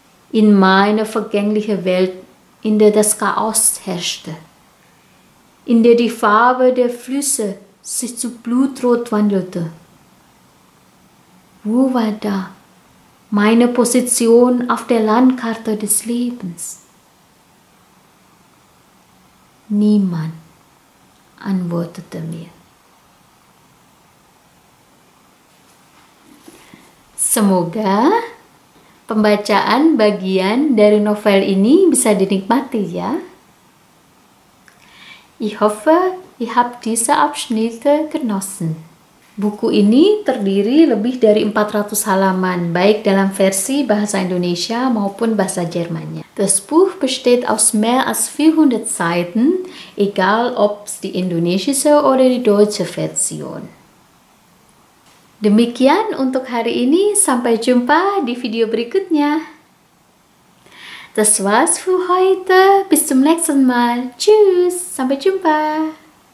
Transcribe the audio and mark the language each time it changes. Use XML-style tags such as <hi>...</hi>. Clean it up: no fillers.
<de>In meiner vergänglichen Welt, in der das Chaos herrschte, in der die Farbe der Flüsse sich zu blutrot wandelte. Wo war da meine Position auf der Landkarte des Lebens? Niemand antwortete mir.</de> <id>Semoga pembacaan bagian dari novel ini bisa dinikmati ya.</id> <de>Ich hoffe, ihr habt diese Abschnitte genossen.</de> <id>Buku ini terdiri lebih dari 400 halaman, baik dalam versi bahasa Indonesia maupun bahasa Jermannya.</id> <de>Das Buch besteht aus mehr als 400 Seiten, egal ob die indonesische oder die deutsche Version.</de> <id>Demikian untuk hari ini, sampai jumpa di video berikutnya.</id> <de>Das war's für heute. Bis zum nächsten Mal. Tschüss.</de> <id>Sampai jumpa.</id>